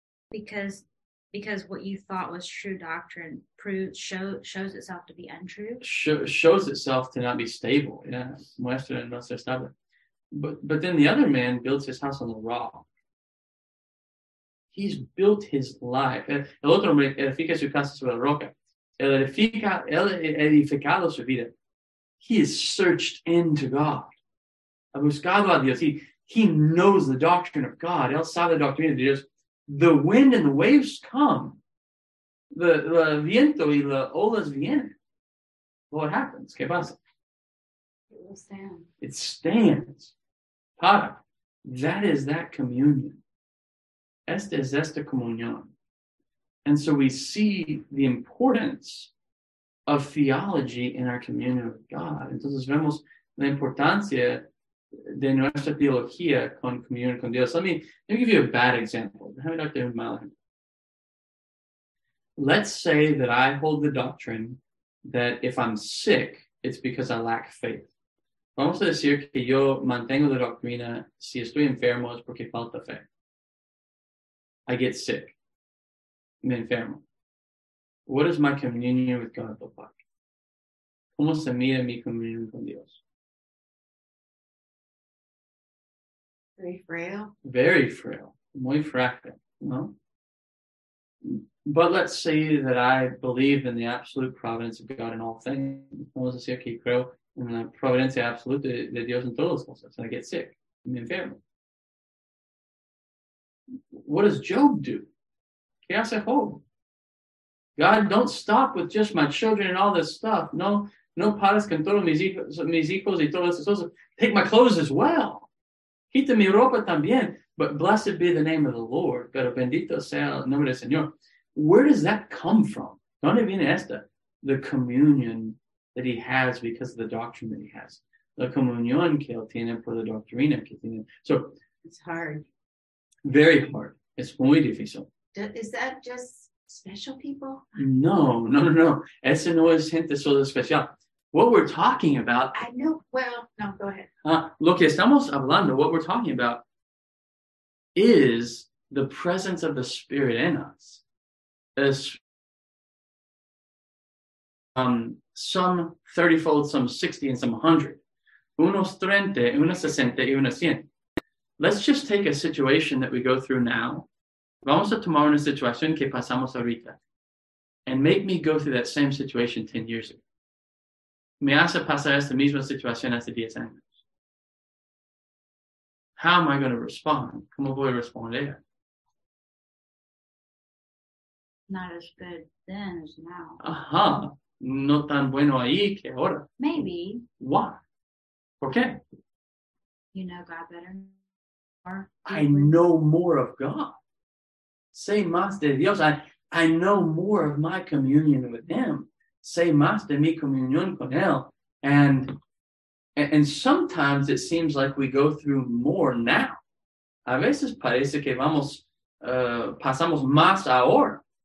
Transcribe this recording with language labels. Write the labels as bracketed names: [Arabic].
[English] Because what you thought was true doctrine shows itself to be untrue. Shows itself to not be stable. Yeah. [Spanish] Muestra no ser estable. [English] But then the other man builds his house on the rock. He's built his life. [Spanish] El otro hombre edifica su casa sobre la roca. Él edificado su vida. [English] He is searched into God. [Spanish] Ha buscado a Dios. [English] He knows the doctrine of God. [Spanish] Él sabe la doctrina de Dios. [English] The wind and the waves come. [Spanish] The viento y la olas vienen. [English] Well, what happens? [Spanish] ¿Qué pasa? [English] It will stand. It stands. [Spanish] Para. [English] That is that communion. [Spanish] Esta es esta comunión. [English] And so we see the importance of theology in our communion with God. [Spanish] Entonces vemos la importancia de nuestra teología con comunión con Dios. [English] Let me give you a bad example. Let's say that I hold the doctrine that if I'm sick, it's because I lack faith. [Spanish] Vamos a decir que yo mantengo la doctrina, si estoy enfermo es porque falta fe. [English] I get sick. [Spanish] Me enfermo. [English] What does my communion with God look like? [Spanish] ¿Cómo se mira mi comunión con Dios? [English] Very frail. Very frail. [Spanish] Muy frágil, ¿no? [English] But let's say that I believe in the absolute providence of God in all things. [Spanish] Vamos a decir que creo en la providencia absoluta de Dios en todas las cosas. [English] And I get sick. [Spanish] Me enfermo. [English] What does Job do? [Spanish] ¿Qué hace Job? [English] God, don't stop with just my children and all this stuff. [Spanish] No pares con todos mis hijos y todas esas cosas. [English] Take my clothes as well. [Spanish] Quita mi ropa también. [English] But blessed be the name of the Lord. [Spanish] Pero bendito sea el nombre del Señor. [English] Where does that come from? [Spanish] ¿Dónde viene esta? [English] The communion that he has because of the doctrine that he has. [Spanish] La comunión que él tiene por la doctrina que tiene. [English] So, it's hard. Very hard. It's [Spanish] muy difícil. [English] Is that just special people? [Spanish] No. Eso no es gente solo especial. [English] What we're talking about... I know. Well, no, go ahead. [Spanish] Lo que estamos hablando, [English] what we're talking about, is the presence of the Spirit in us is some 30-fold, some 60, and some 100. [Spanish] Unos 30, unos 60, y unos 100. [English] Let's just take a situation that we go through now. [Spanish] Vamos a tomar una situación que pasamos ahorita. [English] And make me go through that same situation 10 years ago. [Spanish] Me hace pasar esta misma situación hace 10 años. [English] How am I going to respond? [Spanish] ¿Cómo voy a responder? [English] Not as good then as now. [Spanish] Ajá. No tan bueno ahí que ahora. [English] Maybe. Why? [Spanish] ¿Por qué? [English] You know God better. I know more of God. [Spanish] Say más de Dios. [English] I know more of my communion with Him. [Spanish] Say más de mi comunión con Él. [English] And sometimes it seems like we go through more now. [Spanish] A veces parece que vamos, pasamos más ahora.